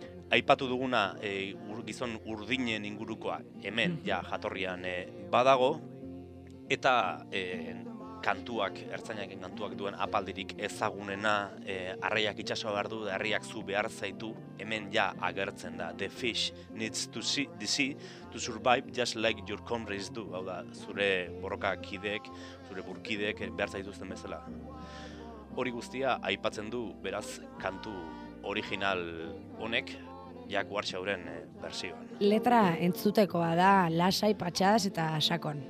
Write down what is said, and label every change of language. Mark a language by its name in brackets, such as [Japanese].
[Basque] Aipatu duguna gizon urdinen ingurukoa hemen ja jatorrian badago, eta kantuak, ertzainaken kantuak duen apaldirik ezagunena, arraiak itsaso behar du, herriak zu behar zaitu, hemen ja agertzen da. [English] The fish needs to see, the sea to survive just like your comrades do. [Basque] Hau da, zure borroka kideek, zure burkideek behar zaituzten bezala. Hori guztia aipatzen du, beraz, kantu original honek, Jack Warshawren bersioan. Letra entzutekoa da, lasai, patxadas eta sakon.